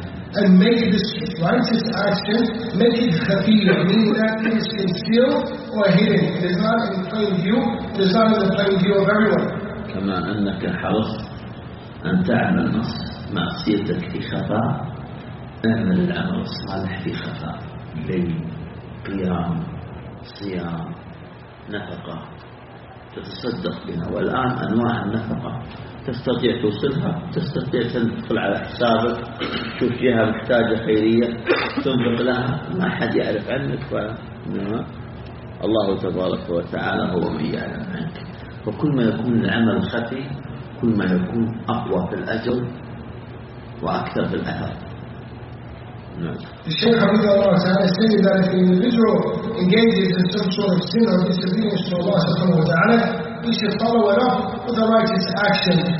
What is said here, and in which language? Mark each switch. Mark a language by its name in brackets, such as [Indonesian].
[English] And make this righteous action, make it khafiyya, meaning that it is concealed or hidden. It is not in plain view, it is not in the plain view of everyone. [Arabic] كما أنك حرصت أن تعمل معصيتك في خفاء, أعمل العمل الصالح في خفاء. ليل, قيام, صيام, نفقة تتصدق بها, والآن أنواع النفقة تستطيع توصلها, تستطيع تدخل على حسابك تشوف فيها محتاجة خيرية تنفق لها, ما حد يعرف عنك, فإنما الله تبارك وتعالى هو من يعلم عنك. فكل ما يكون العمل خفي كل ما يكون أقوى في الأجر وأكثر في الأثر. [English] The Shaykh Habibullah Ta'ala stated that if an individual engages in some sort of sin or disobedience to Allah subhanahu wa ta'ala, he should follow it up with a righteous action.